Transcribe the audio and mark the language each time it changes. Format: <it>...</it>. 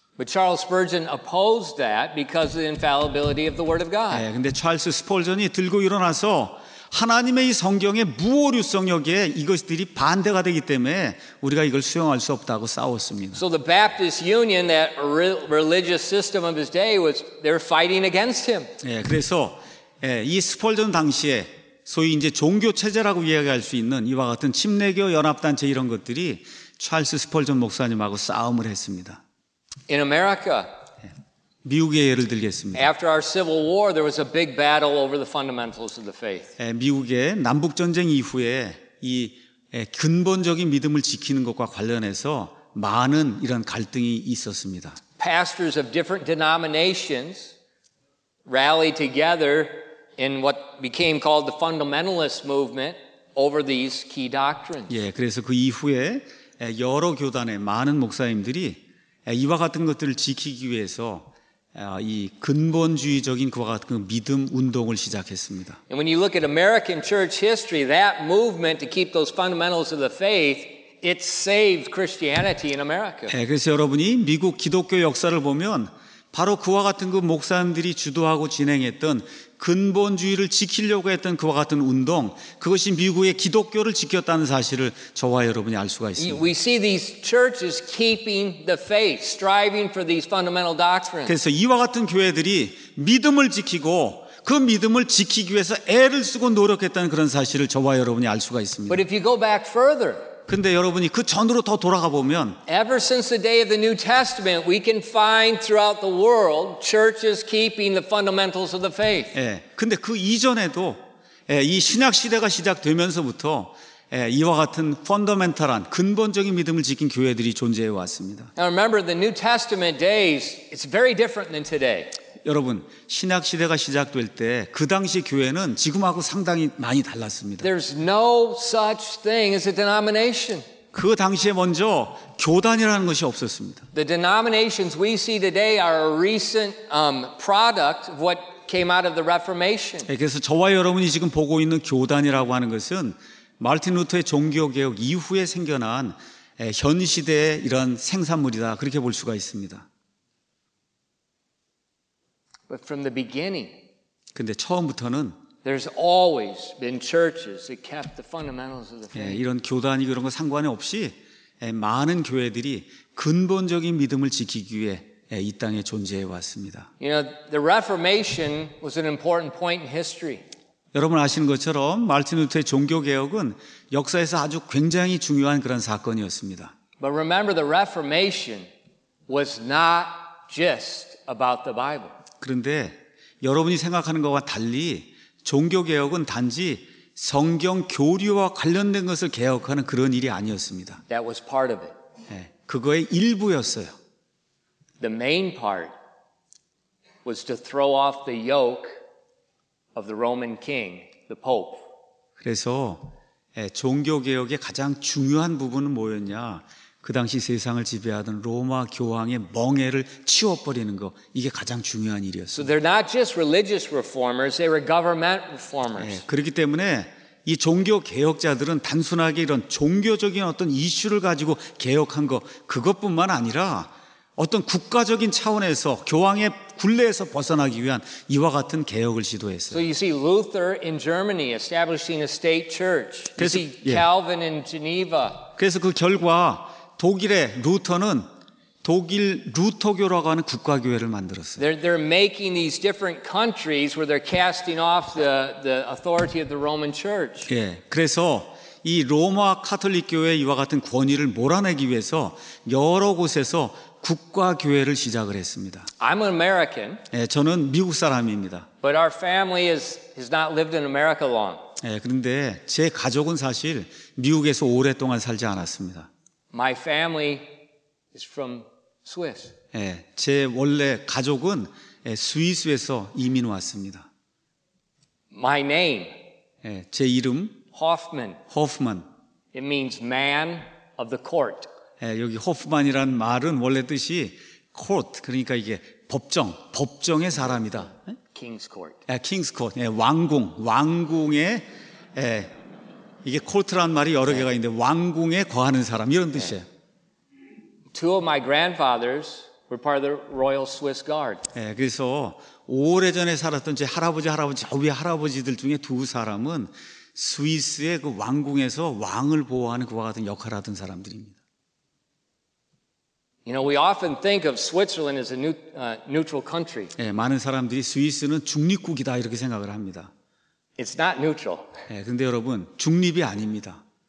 <en>But Charles Spurgeon opposed that because of the infallibility of the Word of God.</en> <ko>근데 찰스 스펄전이 들고 일어나서 하나님의 이 성경의 무오류성 여기에 이것들이 반대가 되기 때문에 우리가 이걸 수용할 수 없다고 싸웠습니다.</ko> <en>So the Baptist Union, that religious system of his day, was they're fighting against him.</en> <ko>그래서 이 스펄전 당시에 소위 이제 종교 체제라고 이야기할 수 있는 이와 같은 침례교 연합 단체 이런 것들이 찰스 스펄전 목사님하고 싸움을 했습니다.</ko> <en>In America,</en> <ko>미국의 예를 들겠습니다.</ko> <en>After our Civil War, there was a big battle over the fundamentals of the faith.</en> <ko>미국의 남북 전쟁 이후에 이 근본적인 믿음을 지키는 것과 관련해서 많은 이런 갈등이 있었습니다.</ko> <en>Pastors of different denominations rallied together in what became called the fundamentalist movement over these key doctrines.</en> <ko>그래서 그 이후에 여러 교단의 많은 목사님들이 이와 같은 것들을 지키기 위해서 이 근본주의적인 그와 같은 그 믿음 운동을 시작했습니다.</ko> <en>And when you look at American church history, that movement to keep those fundamentals of the faith, it saved Christianity in America.</en> <ko>그래서 여러분이 미국 기독교 역사를 보면 바로 그와 같은 그 목사님들이 주도하고 진행했던 근본주의를 지키려고 했던 그와 같은 운동, 그것이 미국의 기독교를 지켰다는 사실을 저와 여러분이 알 수가 있습니다.</ko> <en>We see these churches keeping the faith, striving for these fundamental doctrines.</en> <ko>그래서 이와 같은 교회들이 믿음을 지키고 그 믿음을 지키기 위해서 애를 쓰고 노력했다는 그런 사실을 저와 여러분이 알 수가 있습니다.</ko> <en>But if you go back further,</en> <ko>근데 여러분이 그 전으로 더 돌아가 보면</ko> <en>Ever since the day of the New Testament, we can find throughout the world churches keeping the fundamentals of the faith.</en> <ko>근데 그 이전에도 이 신약 시대가 시작되면서부터 이와 같은 펀더멘탈한 근본적인 믿음을 지킨 교회들이 존재해 왔습니다.</ko> <en>Now remember the New Testament days, it's very different than today.</en> <ko>여러분, 신약 시대가 시작될 때 그 당시 교회는 지금하고 상당히 많이 달랐습니다.</ko> <en>There's no such thing as a denomination.</en> <ko>그 당시에 먼저 교단이라는 것이 없었습니다.</ko> <en>The denominations we see today are a recent product of what came out of the Reformation.</en> <ko>그래서 저와 여러분이 지금 보고 있는 교단이라고 하는 것은 마르틴 루터의 종교 개혁 이후에 생겨난 현 시대의 이런 생산물이다 그렇게 볼 수가 있습니다.</ko> <en>But from the beginning,</en> <ko>근데 처음부터는</ko> <en>there's always been churches that kept the fundamentals of the faith.</en> <ko>이런 교단이 그런 거 상관없이 많은 교회들이 근본적인 믿음을 지키기 위해 이 땅에 존재해 왔습니다.</ko> <en>You know, the Reformation was an important point in history.</en> <ko>여러분 아시는 것처럼 마르틴 루터의 종교 개혁은 역사에서 아주 굉장히 중요한 그런 사건이었습니다.</ko> <en>But remember, the Reformation was not just about the Bible.</en> <ko>그런데 여러분이 생각하는 것과 달리 종교개혁은 단지 성경 교리와 관련된 것을 개혁하는 그런 일이 아니었습니다.</ko> <en>That was part of it.</en> <ko>그거의 일부였어요.</ko> <en>The main part was to throw off the yoke of the Roman king, the Pope.</en> <ko>그래서 종교개혁의 가장 중요한 부분은 뭐였냐? 그 당시 세상을 지배하던 로마 교황의 멍에를 치워버리는 거, 이게 가장 중요한 일이었어요.</ko> <en>So they're not just religious reformers, they were government reformers.</en> <ko>그렇기 때문에 이 종교 개혁자들은 단순하게 이런 종교적인 어떤 이슈를 가지고 개혁한 거, 그것뿐만 아니라 어떤 국가적인 차원에서 교황의 굴레에서 벗어나기 위한 이와 같은 개혁을 시도했어요.</ko> <en>So you see Luther in Germany establishing a state church. You see Calvin in Geneva.</en> <ko>그래서 그 결과 독일의 루터는 독일 루터교라고 하는 국가교회를 만들었어요.</ko> <en>They're making these different countries where they're casting off the authority of the Roman Church.</en> <ko>예, 그래서 이 로마 가톨릭 교회 이와 같은 권위를 몰아내기 위해서 여러 곳에서 국가교회를 시작을 했습니다.</ko> <en>I'm an American.</en> <ko>예, 저는 미국 사람입니다.</ko> <en>But our family has not lived in America long.</en> <ko>예, 그런데 제 가족은 사실 미국에서 오랫동안 살지 않았습니다.</ko> <en>My family is from Swiss.</en> <ko>예, 제 원래 가족은 스위스에서 이민 왔습니다.</ko> <en>My name.</en> <ko>예, 제 이름.</ko> <en>Hoffman.</en> <ko>Hoffman.</ko> <en>It means man of the court.</en> <ko>예, 여기 Hoffman이란 말은 원래 뜻이 court, 그러니까 이게 법정, 법정의 사람이다.</ko> <en>King's court. 예, King's court.</en> <ko>예, 왕궁, 왕궁의 예, 이게 court란 말이 여러 개가 있는데 왕궁에 거하는 사람 이런 뜻이에요.</ko> <en>Two of my grandfathers were part of the Royal Swiss Guard.</en> <ko>예, 그래서 오래전에 살았던 제 할아버지, 할아버지, 저 위에 할아버지들 중에 두 사람은 스위스의 그 왕궁에서 왕을 보호하는 그와 같은 역할을 하던 사람들입니다.</ko> <en>You know, we often think of Switzerland as a neutral country.</en> <ko>예, 많은 사람들이 스위스는 중립국이다 이렇게 생각을 합니다.</ko> <en>It's not neutral.</en> <ko>예, 근데 여러분, 중립이 아닙니다.</ko>